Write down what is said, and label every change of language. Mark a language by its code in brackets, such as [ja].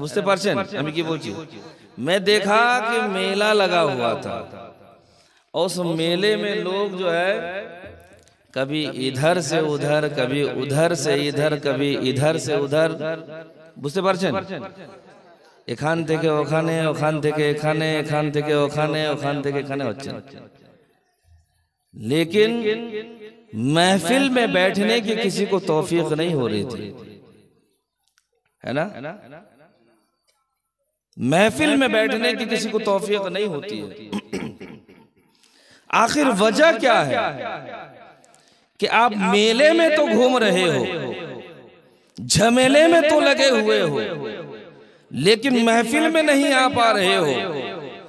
[bn] बुझते पारछेन आमी कि बोलछि? [hi] मैं देखा कि मेला लगा हुआ था और उस मेले में लोग जो है कभी इधर से उधर, कभी उधर से इधर, कभी इधर से उधर, [bn] बुझते पारछेन? এখান থেকে ওখানে, ওখান থেকে এখানে, এখান থেকে ওখানে, ওখান থেকে এখানে হচ্ছে। [hi] लेकिन महफिल में बैठने की किसी को तौफीक नहीं हो रही थी, है ना? महफिल में बैठने की किसी को तौफीक नहीं होती है। आखिर वजह क्या है कि आप मेले में तो घूम रहे हो, झमेले में तो लगे हुए हो, लेकिन महफिल में नहीं आ पा रहे हो?